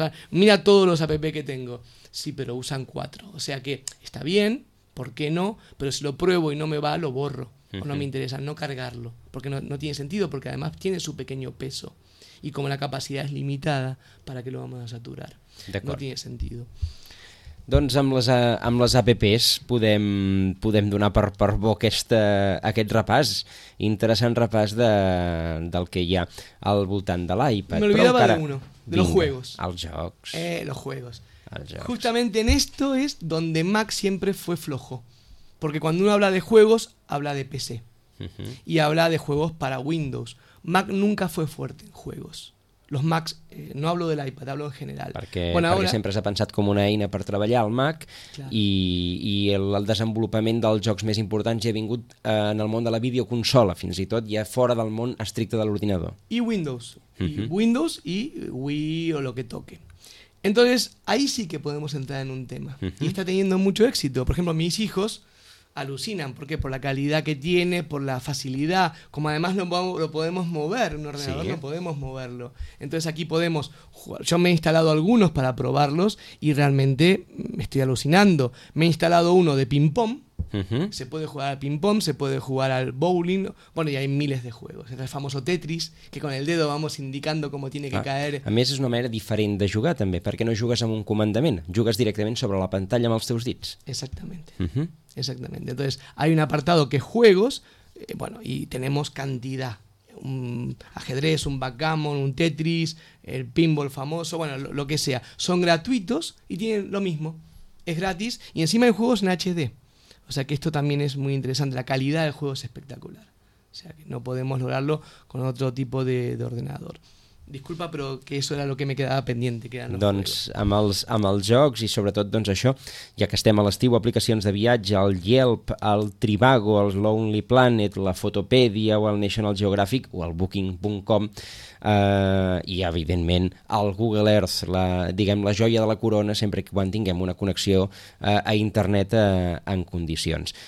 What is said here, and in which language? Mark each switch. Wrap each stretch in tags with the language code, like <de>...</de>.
<es>Mira todos los app que tengo. Sí, pero usan 4. O sea que está bien, ¿por qué no? Pero si lo pruebo y no me va, lo borro. O no me interesa no cargarlo. Porque no tiene sentido, porque además tiene su pequeño peso. Y como la capacidad es limitada, ¿para qué lo vamos a saturar?</es> <ca>D'acord.</ca> <es>No tiene sentido.</es> <ca>Doncs amb les APPs podem donar per bo aquest repàs, interessant repàs del que hi ha al voltant de l'iPad.</ca> <es>Me olvidaba de uno, de los juegos.</es> <ca>Els jocs.</ca> <es>Los juegos. Justamente en esto es donde Mac siempre fue flojo. Porque cuando uno habla de juegos, habla de PC. Y habla de juegos para Windows. Mac nunca fue fuerte en juegos. Los Macs, no hablo de l'iPad, hablo en general.</es> <ca>Perquè sempre s'ha pensat com una eina per treballar al Mac. Clar. i el desenvolupament dels jocs més importants ja ha vingut en el món de la videoconsola, fins i tot ja fora del món estricte de l'ordinador. I Windows. Windows i Wii o</ca> <es>lo que toque. Entonces, ahí sí que podemos entrar en un tema. Y está teniendo mucho éxito. Por ejemplo, mis hijos alucinan, ¿por qué? Por la calidad que tiene, por la facilidad, como además lo podemos mover, un ordenador no podemos moverlo. Entonces aquí podemos jugar. Yo me he instalado algunos para probarlos y realmente me estoy alucinando. Me he instalado uno de ping-pong, se puede jugar al ping-pong, se puede jugar al bowling, bueno, y hay miles de juegos. Este es el famoso Tetris, que con el dedo vamos indicando cómo tiene que caer.</es> <ca>A més, és una manera diferent de jugar, també, perquè no jugues amb un comandament, jugues directament sobre la pantalla amb els teus dits.</ca> <es>Exactamente. Exactamente. Entonces, hay un apartado que es juegos, bueno, y tenemos cantidad. Un ajedrez, un backgammon, un Tetris, el pinball famoso, bueno, lo que sea. Son gratuitos y tienen lo mismo. Es gratis y encima hay juegos en HD. O sea que esto también es muy interesante. La calidad del juego es espectacular. O sea que no podemos lograrlo con otro tipo de ordenador.</es> <ca>Disculpa, però que això era el que me quedava pendent. Doncs amb els jocs i sobretot doncs això, ja que estem a l'estiu, aplicacions de viatge, el Yelp, el Trivago, el Lonely Planet, la Fotopedia o el National Geographic o el Booking.com i evidentment el Google Earth, diguem la joia de la corona sempre que quan tinguem una connexió a internet en condicions.</ca>